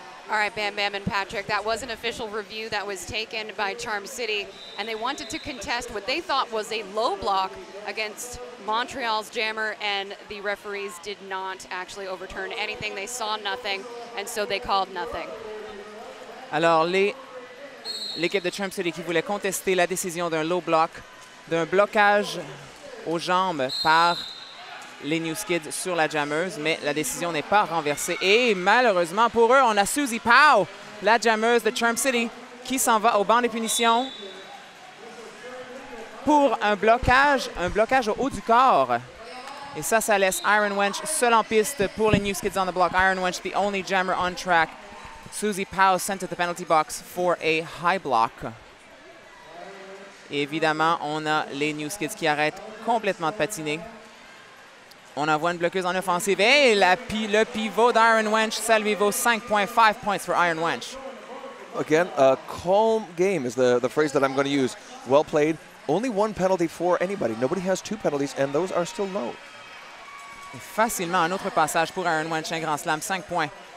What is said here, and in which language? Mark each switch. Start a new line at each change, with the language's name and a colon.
English: All right, Bam Bam and Patrick, that was an official review that was taken by Charm City, and they wanted to contest what they thought was a low block against Montreal's jammer, and the referees did not actually overturn anything. They saw nothing, and so they called nothing.
French: Alors, l'équipe de Charm City qui voulait contester la décision d'un low block, d'un blocage aux jambes par les New Skids sur la jammeuse, mais la décision n'est pas renversée. Et malheureusement pour eux, on a Susie Pow, la jammeuse de Charm City, qui s'en va au banc des punitions pour un blocage au haut du corps. Et ça, ça laisse Iron Wench seule en piste pour les New Skids on the block.
English: Iron Wench, the only jammer on track. Susie Pow sent to the penalty box for a high block.
French: Évidemment, on a les New Skids qui arrêtent complètement de patiner. On envoie une bloqueuse en offensive. Et le pivot d'Iron Wench, ça lui vaut 5 points,
English: 5 points for Iron Wench. Again, a calm game is the phrase that I'm going to use. Well played. Only one penalty for anybody. Nobody has two penalties, and those are still low.
French: Et facilement, un autre passage pour Iron Wench, un grand slam, 5 points.